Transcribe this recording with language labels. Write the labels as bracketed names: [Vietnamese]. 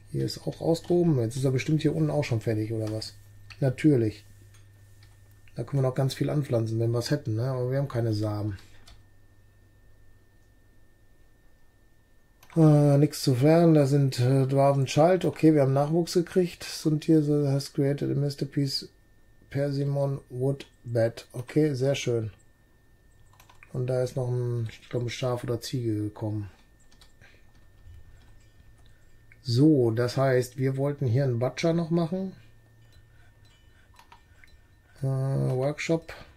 [German] Hier ist auch ausgehoben. Jetzt ist er bestimmt hier unten auch schon fertig, oder was? Natürlich. Da können wir noch ganz viel anpflanzen, wenn wir es hätten, ne? Aber wir haben keine Samen. Nichts zu fern, da sind Dwarven Child. Okay, wir haben Nachwuchs gekriegt. [English] Suntier has created a masterpiece Persimmon Wood Bed. [German] Okay, sehr schön. Und da ist noch ein, ich glaube, Schaf oder Ziege gekommen. So, das heißt, wir wollten hier einen Butcher noch machen. Workshop.